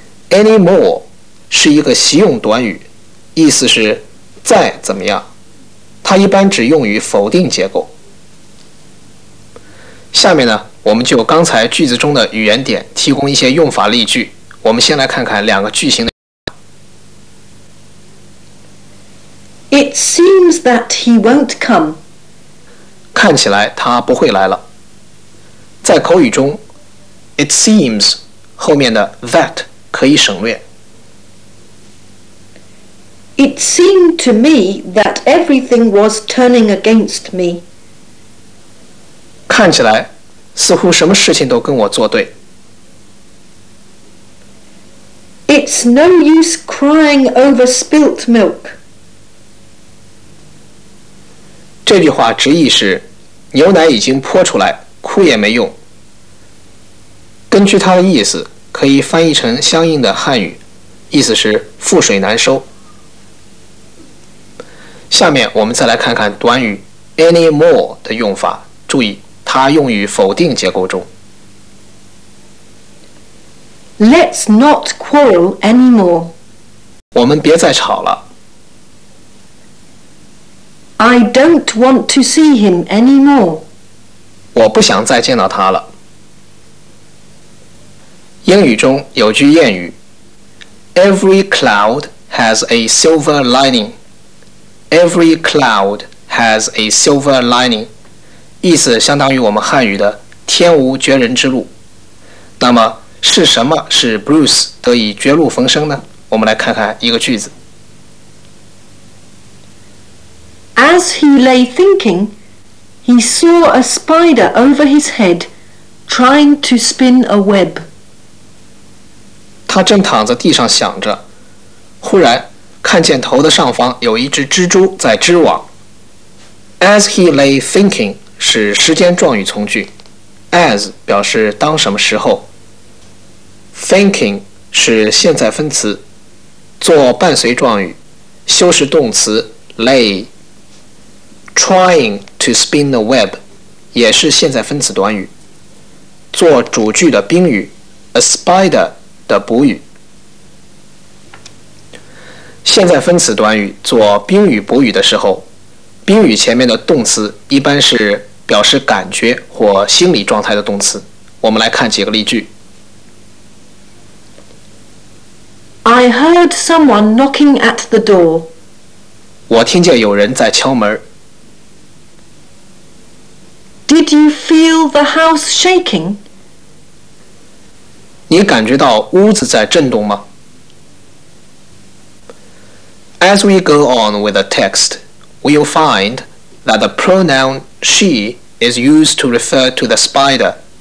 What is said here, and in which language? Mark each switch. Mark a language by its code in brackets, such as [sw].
[zh] anymore 是一个习用短语，意思是再怎么样，它一般只用于否定结构。下面呢，我们就刚才句子中的语言点提供一些用法例句。我们先来看看两个句型的。 [en] It seems that he won't come. [zh] 看起来他不会来了。在口语中 ， [en] it seems [zh] 后面的 that 可以省略。 [en] It seemed to me that everything was turning against me. [zh] 看起来似乎什么事情都跟我作对。 [en] It's no use crying over spilt milk. [zh] 这句话直译是牛奶已经泼出来，哭也没用。根据它的意思，可以翻译成相应的汉语，意思是覆水难收。下面我们再来看看短语 anymore 的用法，注意它用于否定结构中。 [en] Let's not quarrel anymore. [zh] 我们别再吵了。 [en] I don't want to see him anymore. [zh] 我不想再见到他了。英语中有句谚语 [en] ，Every cloud has a silver lining. Every cloud has a silver lining. [zh] 意思相当于我们汉语的天无绝人之路。那么是什么使 Bruce 得以绝路逢生呢？我们来看看一个句子。 [en] As he lay thinking, he saw a spider over his head, trying to spin a web. [zh] 他正躺在地上想着，忽然看见头的上方有一只蜘蛛在织网。 [en] As he lay thinking, [zh] 是时间状语从句 ，as 表示当什么时候 ，thinking 是现在分词，做伴随状语，修饰动词 lay， [en] trying to spin the web [zh] 也是现在分词短语，做主句的宾语 ，a spider 的补语。现在分词短语做宾语补语的时候，宾语前面的动词一般是。表示感觉或心理状态的动词，我们来看几个例句。 [en] I heard someone knocking at the door. [zh] 我听见有人在敲门。 [en] Did you feel the house shaking? [zh] 你感觉到屋子在震动吗？ [en] As we go on with the text, we'll find that the pronoun she. Is used to refer to the spider.